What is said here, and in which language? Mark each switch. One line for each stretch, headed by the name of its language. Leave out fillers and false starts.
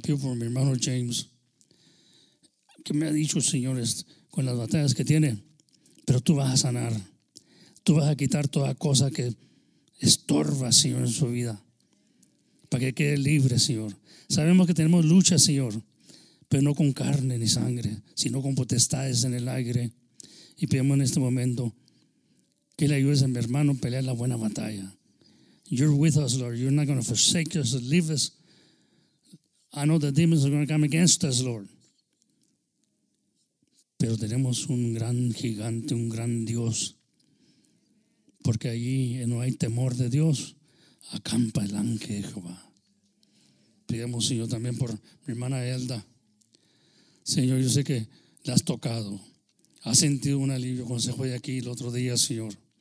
Spanish: Pido por mi hermano James, que me ha dicho, Señor, con las batallas que tiene, pero tú vas a sanar, tú vas a quitar toda cosa que estorba, Señor, en su vida, para que quede libre, Señor. Sabemos que tenemos lucha, Señor, pero no con carne ni sangre, sino con potestades en el aire. Y pedimos en este momento que le ayudes a mi hermano a pelear la buena batalla.
English: You're with us, Lord. You're not going to forsake us, leave us. I know the demons are going to come against us, Lord.
Spanish: Pero tenemos un gran gigante, un gran Dios. Porque allí no hay temor de Dios. Acampa el ángel de Jehová. Pidemos, Señor, también por mi hermana Elda. Señor, yo sé que la has tocado. Ha sentido un alivio cuando se fue de aquí el otro día, Señor.